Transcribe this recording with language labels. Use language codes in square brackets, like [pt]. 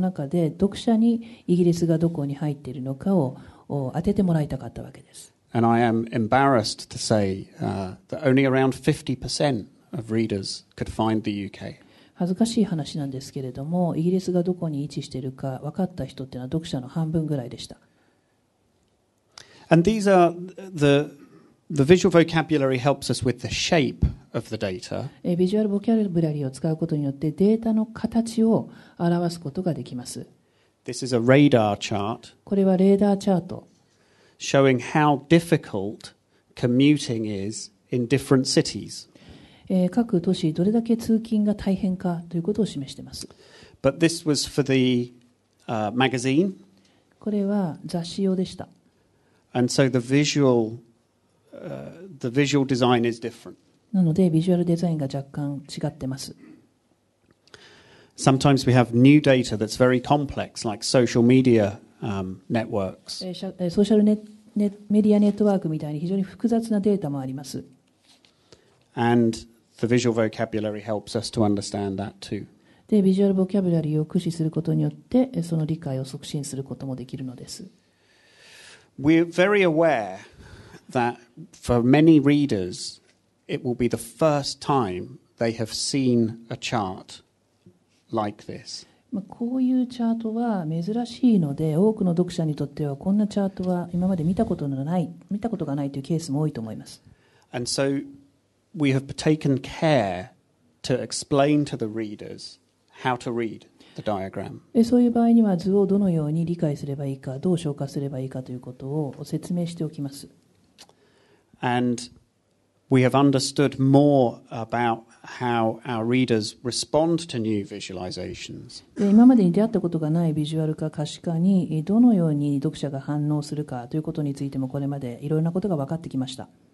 [ja] 中で読者にイギリスがどこに入っているのかを当ててもらいたかったわけです。 [en] And I am embarrassed to say, that only around 50% of readers could find the UK. [ja] 恥ずかしい話なんですけれども、イギリスがどこに位置しているか分かった人というのは読者の半分ぐらいでした。 [en] And these are the visual vocabulary helps us with the shape of the data. [ja] ビジュアルボキャブラリーを使うことによってデータの形を表すことができます。 [en] This is a radar chart. [ja] これはレーダーチャート。 [en] Showing how difficult commuting is in different cities. [ja] 各都市どれだけ通勤が大変かということを示しています。 [en] But this was for the magazine. [ja] これは雑誌用でした。 [en] And so the visual design is different. [ja] なのでビジュアルデザインが若干違ってます。 [en] Sometimes we have new data that's very complex, like social media networks. [ja] ソーシャルメディアネットワークみたいに非常に複雑なデータもあります。 [en] And the visual vocabulary helps us to understand that too. [ja] でビジュアルボキャブラリーを駆使することによってその理解を促進することもできるのです。 [en] We're very aware that for many readers, it will be the first time they have seen a chart like this. [ja] こういうチャートは珍しいので、多くの読者にとってはこんなチャートは今まで見たことがないというケースも多いと思います。 [en] And so we have taken care to explain to the readers how to read. The diagram. [ja] そういう場合には図をどのように理解すればいいか、どう消化すればいいかということを説明しておきます。 [en] And we have understood more about how our readers respond to new visualizations. [ja] 今までに出会ったことがないビジュアル化可視化にどのように読者が反応するかということについてもこれまでいろいろなことが分かってきました。